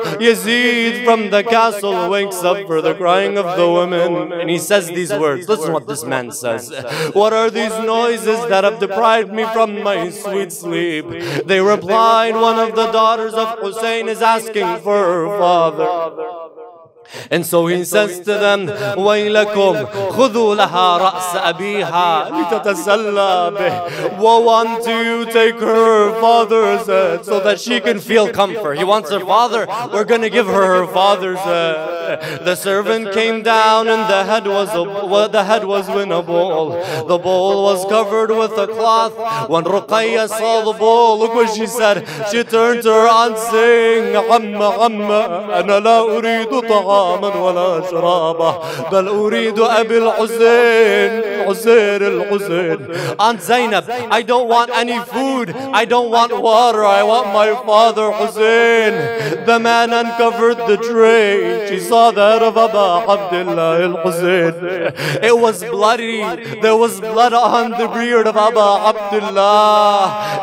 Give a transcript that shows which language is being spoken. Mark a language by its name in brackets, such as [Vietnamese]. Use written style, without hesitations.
[English] Yazid from the castle wakes up for the crying of the women, and he says these words. Listen what this man says. What are these noises that have deprived me from my sweet sleep? They replied, one of the daughters of Hussein is asking for her father. And so he says to them, [Arabic] وَيْلَكُمْ خُذُوا لَهَا رَأْسَ أَبِيهَا لِتَتَسَلَّى بِهِ. [English] Woe unto you, take her father's head so that she can feel comfort. He wants her father, we're going to give her her father's head. The servant came down and the head was in a bowl. The bowl was covered with a cloth. When Ruqayya saw the bowl, look what she said. She turned to her aunt saying, [Arabic] عَمَّ عَمَّ أَنَا لَا أُرِيدُ طَعَامًا وَلَا شَرَابًا بَلْ أُرِيدُ أَبِي الْحُسَيْنِ حُسَيْنِ الْحُسَيْنِ. [English] Aunt Zainab, I don't want any food. I don't want water. I want my father Hussein. The man uncovered the tray. Saw the head of Aba Abdullah al-Hussein. It was bloody. There was blood on the beard of Aba Abdullah.